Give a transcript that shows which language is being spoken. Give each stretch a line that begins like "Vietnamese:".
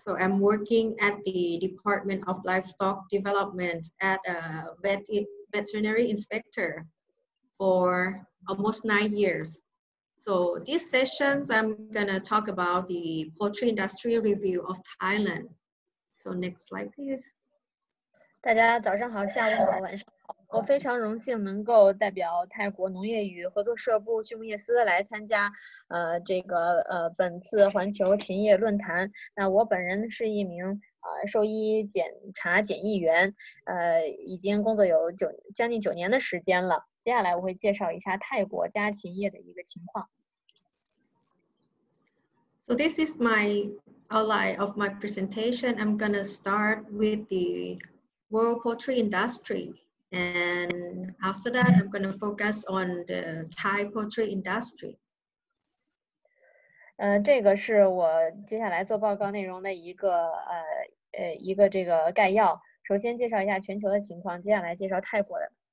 English: So I'm working at the Department of Livestock Development at a veterinary inspector for almost 9 years. So these sessions, I'm gonna talk about the poultry industry review of Thailand. So next slide, please.
Chinese: 大家早上好，下午好，晚上好。我非常荣幸能够代表泰国农业与合作社部畜牧业司来参加这个本次环球禽业论坛。那我本人是一名兽医检查检疫员，已经工作有将近九年的时间了。接下来我会介绍一下泰国家禽业的一个情况。
English: So this is my outline of my presentation. I'm gonna start with the world poultry industry. And after that, I'm going to focus on the Thai poultry industry.
Chinese: 这个是我接下来做报告内容的一个这个概要。首先介绍一下全球的情况，接下来介绍泰国的。